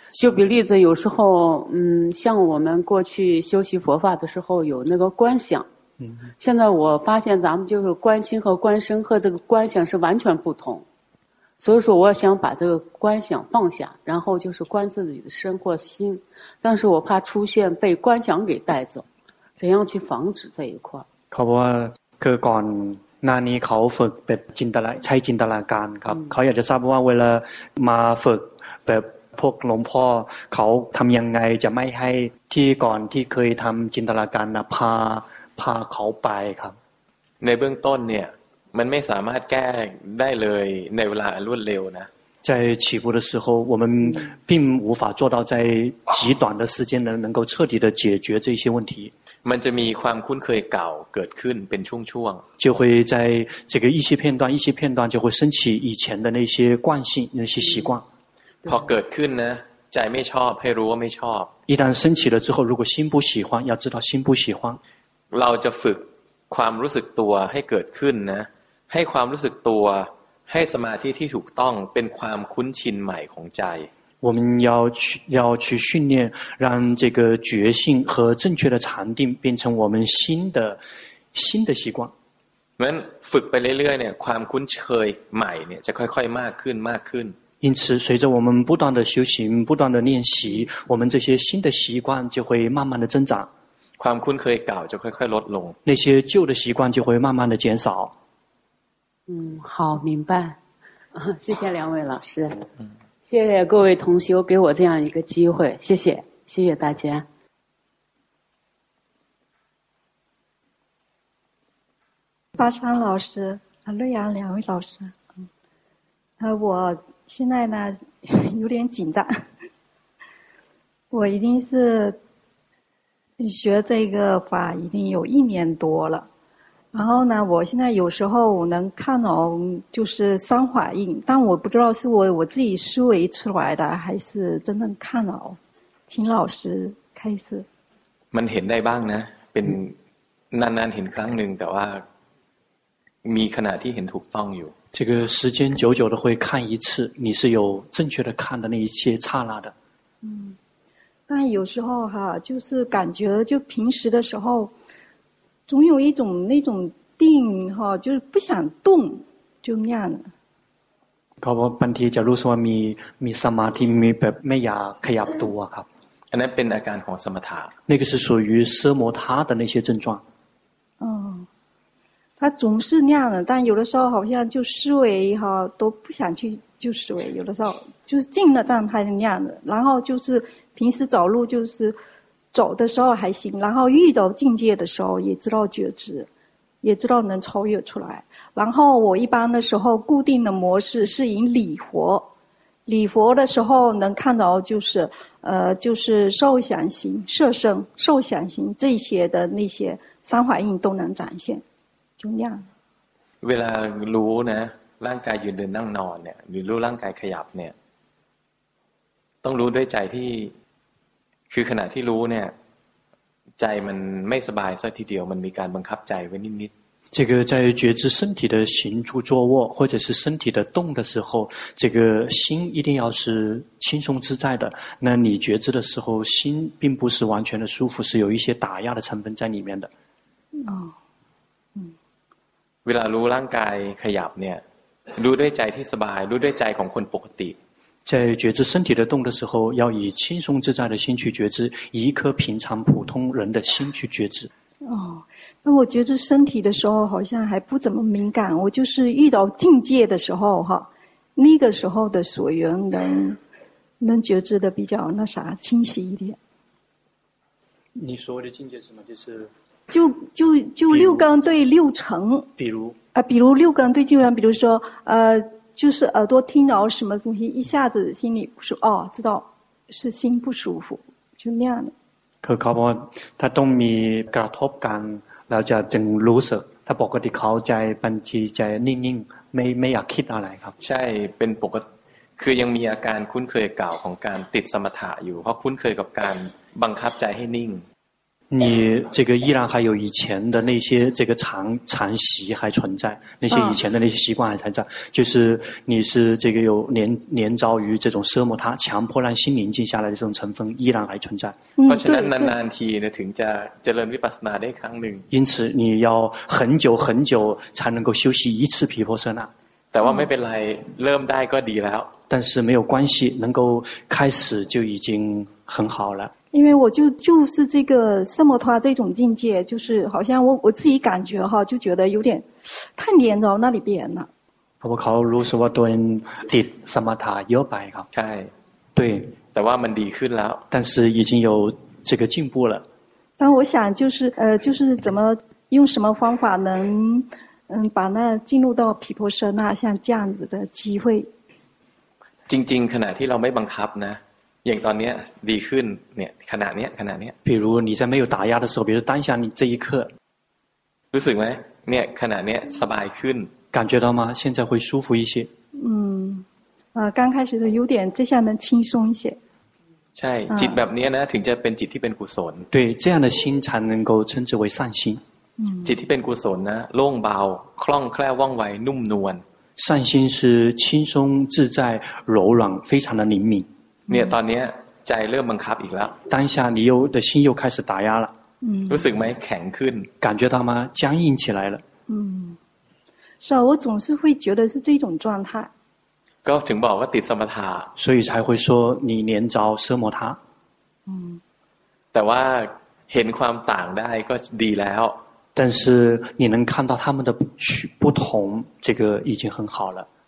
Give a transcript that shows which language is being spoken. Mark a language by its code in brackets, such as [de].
[zh] 就比例子有时候像我们过去修习佛法的时候有那个观想现在我发现咱们就是观心和观身和这个观想是完全不同所以说我想把这个观想放下然后就是观自己的身或心但是我怕出现被观想给带走怎样去防止这一块 [th] ครับว่าคือก่อนหน้านี้เขาฝึกแบบจินตนาใช้จินตนาการครับเขาอยากจะทราบว่าเวลามาฝึกแบบพวกหลวงพ่อเขาทำยังไงจะไม่ให้ที่ก่อนที่เคยทำจินตนาการนะพาเขาไปครับ ในเบื้องต้นเนี่ยมันไม่สามารถแก้ได้เลยในเวลารวดเร็วนะ [zh] 在起步的时候我们并无法做到在极短的时间能够彻底的解决这些问题 [th] มันจะมีความคุ้นเคยเก่าเกิดขึ้นเป็นช่วงช่วง [zh] 就会在这个一些片段一些片段就会升起以前的那些惯性那些习惯 [th] พอเกิดขึ้นนะใจไม่ชอบให้รู้ว่าไม่ชอบ [zh] 一旦升起了之后如果心不喜欢要知道心不喜欢 [th] เราจะฝึกความรู้สึกตัวให้เกิดขึ้นนะ ให้ความรู้สึกตัวให้สมาธิที่ถูกต้องเป็นความคุ้นชินใหม่ของใจ [zh] 我们要去训练，让这个觉性和正确的禅定变成我们新的习惯。 [th] 那ฝึกไปเรื่อยๆเนี่ยความคุ้นเคยใหม่เนี่ยจะค่อยๆมากขึ้นมากขึ้น。 [zh] 因此，随着我们不断的修行、不断的练习，我们这些新的习惯就会慢慢的增长。 [th] ความคุ้นเคยเก่าจะค่อยๆลดลง。 [zh] 那些旧的习惯就会慢慢的减少。嗯，好，明白。谢谢两位老师。谢谢各位同修给我这样一个机会，谢谢，谢谢大家。巴山老师，瑞阳两位老师，我现在呢有点紧张，我已经是学这个法已经有一年多了。然后呢我现在有时候能看到就是三法印，但我不知道是我自己思维出来的还是真正看到，请老师开始。 [th] มันเห็นได้บ้างนะเป็นนานๆเห็นครั้งนึงแต่ว่ามีขณะที่เห็นถูกต้องอยู่ [zh] 这个时间久久的会看一次，你是有正确的看的那一些刹那的。嗯，但有时候哈，就是感觉就平时的时候总有一种那种定哈，就是不想动，就那样的。考我半天，假如说 [th] มี สมาธิ มี แบบ ไม่ อยาก ขยับ ตัว ครับ อันนั้น เป็น อาการ ของ สมถะ [zh] 那个是属于奢摩他的那些症状。哦，他总是那样的，但有的时候好像就思维哈都不想去就思维，有的时候就是静的状态那样的，然后就是平时走路就是。走的时候还行，然后遇到境界的时候也知道觉知，也知道能超越出来。然后我一般的时候固定的模式是引礼佛，礼佛的时候能看到就是就是受想行、色声、受想行这些的那些三法印都能展现，就那样。 [th] เวลารู้นะร่างกายยืนเดินนั่งนอนเนี่ยหรือรู้ร่างกายขยับเนี่ยต้องรู้ด้วยใจที่คือขณะที่รู้เนี่ยใจมันไม่สบายซะทีเดียวมันมีการบังคับใจไว้นิด [zh] ๆ这个在觉知身体的行住坐卧或者是身体的动的时候这个心一定要是轻松自在的那你觉知的时候心并不是完全的舒服是有一些打压的成分在里面的哦 [th] 嗯เวลารู้ร่างกายขยับเนี่ยรู้ด้วยใจที่สบายรู้ด้วยใจของคนปกติ [zh] 在觉知身体的动的时候，要以轻松自在的心去觉知，以一颗平常普通人的心去觉知。哦，那我觉知身体的时候好像还不怎么敏感，我就是遇到境界的时候哈，那个时候的所缘能觉知的比较那啥清晰一点。你所谓的境界是什么？就是就六根对六尘。比如啊，比如六根对六尘，比如说就是耳朵听到什么东西，一下子心里不舒服，哦，知道是心不舒服，就那样的。可靠不？他都 [th] มีกระทบกันแล้วจะจึงรู้สึก [zh] 他 [th] ปกติเขาใจบางทีใจนิ่งๆไม่อยากคิดอะไรครับ ใช่เป็นปกติคือยังมีอาการคุ้นเคยเก่าของการติดสมถะอยู่เพราะคุ้นเคยกับการบังคับใจให้นิ่ง [zh] 你这个依然还有以前的那些这个常习还存在，那些以前的那些习惯还存在，就是你是这个有连招于这种奢摩他，强迫让心宁静下来的这种成分依然还存在。嗯，对对。因此，你要很久很久才能够休息一次毗婆舍那。 [th] แต่ว่าไม่เป็นไรเริ่มได้ก็ดีแล้ว。 [zh] 但是没有关系，能够开始就已经很好了。因为我就是这个奢摩他这种境界，就是好像我自己感觉哈，就觉得有点太黏着那里边了。我考卢斯瓦顿的萨摩他有白哈，对，对，但话们离开了，但是已经有这个进步了。但我想就是就是怎么用什么方法能把那进入到毗婆舍那像这样子的机会。 [th] จริงๆขณะที่เราไม่บังคับนะอย่างตอนนี้ดีขึ้นเนี่ยขณะนี้ขณะนี้ [zh] 比如你在没有打压的时候比如当下你这一刻 [th] รู้สึกไหมเนี่ยขณะนี้สบายขึ้น [zh] 感觉到吗现在会舒服一些刚开始的有点这下能轻松一些 [th] ใช่จิตแบบนี้นะถึงจะเป็นจิตที่เป็นกุศล [zh] 对这样的心才能够称之为善心 [th] จิตที่เป็นกุศลนะโล่งเบาคล่องแคล่วว่องไวนุ่มนวล [zh] 善心是轻松自在柔软非常的灵敏 [th] เนี่ยตอนนี้ใจเริ่มบังคับอีกแล้ว [zh] 当下你又的心又开始打压了 [th] รู้สึกไหมแข็งขึ้น [zh] 感觉到吗僵硬起来了是啊我总是会觉得是这种状态 [th] ก็ถึงบอกว่าติดสมถะ [zh] 所以才会说你连招奢摩他 [th] แต่ว่าเห็นความต่างได้ก็ดีแล้ว [zh] 但是你能看到他们的不同这个已经很好了